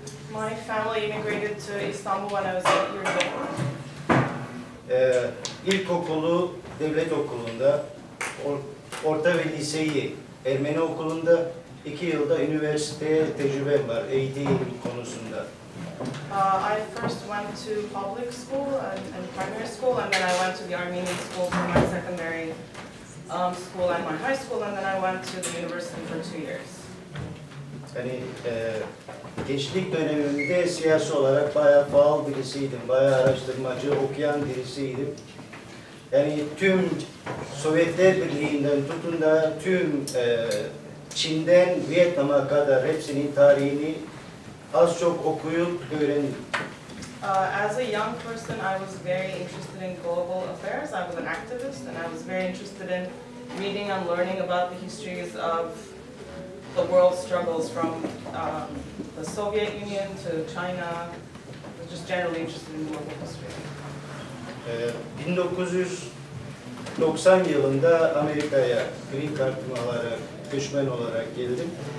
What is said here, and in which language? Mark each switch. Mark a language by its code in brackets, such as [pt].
[en] My family immigrated to Istanbul when I was 8 years old. [tr] İlkokulu devlet okulunda, orta ve liseyi Ermeni okulunda, 2 yılda üniversiteye tecrübem var, eğitim konusunda. [en] I first went to public school and primary school, and then I went to the Armenian school for my secondary school and my high school, and then I went to the university for 2 years. [tr] Yani gençlik döneminde siyasi olarak bayağı faal birisiydim, bayağı araştırmacı, okuyan birisiydim. Yani tüm Sovyetler Birliği'nden tutun da tüm Çin'den Vietnam'a kadar hepsinin tarihini az çok okuyup öğrendim. [en] As a young person, I was very interested in global affairs. I was an activist and I was very interested in reading and learning about the histories of the world struggles from the Soviet Union to China. I was just generally interested in global history. [tr] 1990 yılında Amerika'ya green card'ımı alarak, göçmen olarak geldim.